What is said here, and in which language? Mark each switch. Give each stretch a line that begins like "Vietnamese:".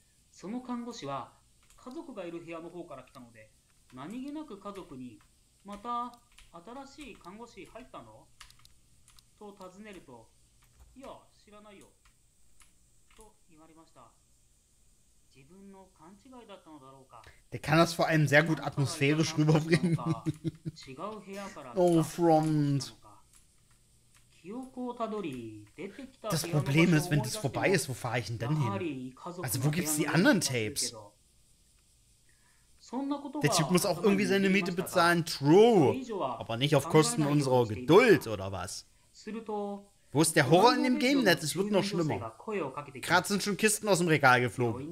Japanese: その看護師は家族がいる部屋の方から来たので、何気なく家族に、また新しい看護師入ったの？と尋ねると、いや知らないよと言われました。自分の勘違いだったのだろうか。
German: Der kann das vor allem sehr gut atmosphärisch rüberbringen.
Japanese: 違う部屋から来た。Oh, Front. 記憶をたどり出てきた。
German: Das Problem ist, wenn das vorbei ist, wo fahre ich denn dann hin? Also wo gibt's die anderen Tapes? Der Typ muss auch irgendwie seine Miete bezahlen. True. Aber nicht auf Kosten unserer Geduld oder was? Wo ist der Horror in dem Game? Es wird noch schlimmer. Gerade sind schon Kisten aus dem Regal geflogen.